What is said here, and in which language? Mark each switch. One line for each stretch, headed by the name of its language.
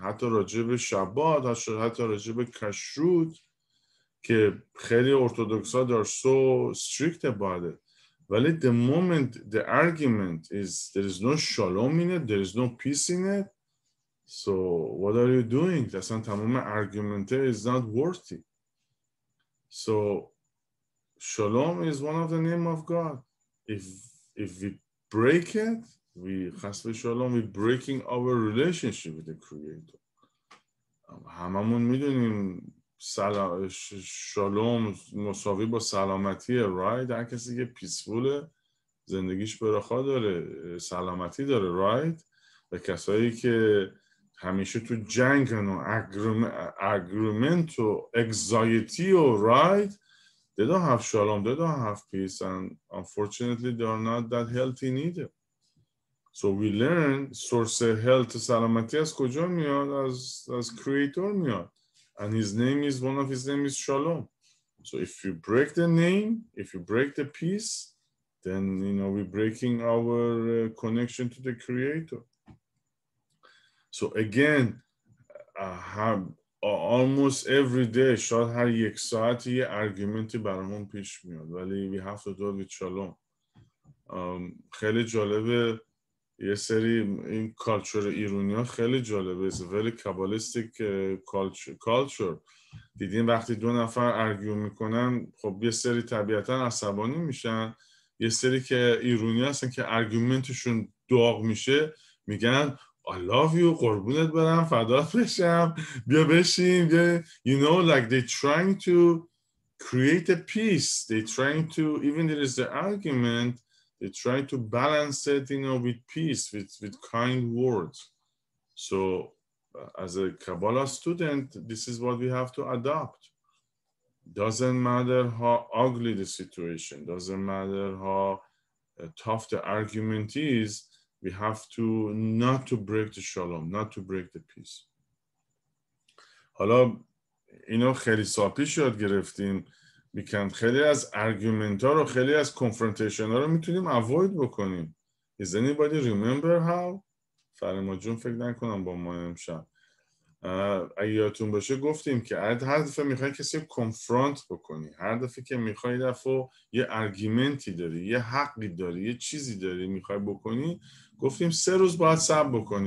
Persian: حتی راجع به شبات، حتی راجع به کشروت که خیلی ارتودکس ها are so strict about it.
English: ولی the moment the argument is there is no shalom in it, there is no peace in it, So what are you doing? That's not تمام argument is not worthy. So shalom is one of the name of God. If we break it, we chasve shalom, we're breaking our relationship with the creator.
Persian: هممون میدونیم shalom مساوی با سلامتیه, right? هر کسی که peaceful زندگیش برخا داره, سلامتی داره, right?
English: و کسایی که همیشه تو جنگ و اگرومنت و اگزایتی و right they don't have shalom, they don't have peace and unfortunately they are not that healthy neither.
Persian: So we learn source health سلامتی از کجا میاد؟ از creator میاد.
English: And his name is, one of his name is shalom. So if you break the name, if you break the peace, then you know we're breaking our connection to the creator. So again, almost every day, شاید هر یک ساعتی یه ارگومنتی برامون پیش میاد. ولی we have to do it with shalom.
Persian: خیلی جالبه یه سری این کالچور ایرانی ها خیلی جالبه.
English: It's a very Kabbalistic culture.
Persian: دیدین وقتی دو نفر ارگیو میکنن خب یه سری طبیعتا عصبانی میشن. یه سری که ایرانی هستن که ارگومنتشون داغ میشه میگن I love you, قربونت برم, فدات بشم, بیا بشیم, بیا.
English: You know, like they're trying to create a peace. They're trying to, even there is the argument, they're trying to balance it, you know, with peace, with kind words. So as a Kabbalah student, this is what we have to adopt. Doesn't matter how ugly the situation, doesn't matter how tough the argument is, We have to not to break the shalom, not to break the peace.
Persian: حالا اینو خیلی سال پیش یاد گرفتیم میکنن. خیلی از ارگومنت ها رو، خیلی از کنفرنتیشن ها رو میتونیم اوید بکنیم. Is anybody remember how؟ فرما جون فکر نکنم با ما امشب. اگه یادتون باشه گفتیم که هر دفعه میخوای کسی کنفرانت بکنی، هر دفعه که میخوای دفعه یه ارگومنتی داری، یه حقی داری، یه چیزی داری میخوای بکنی، گفتیم 3 روز باید صبر بکنی.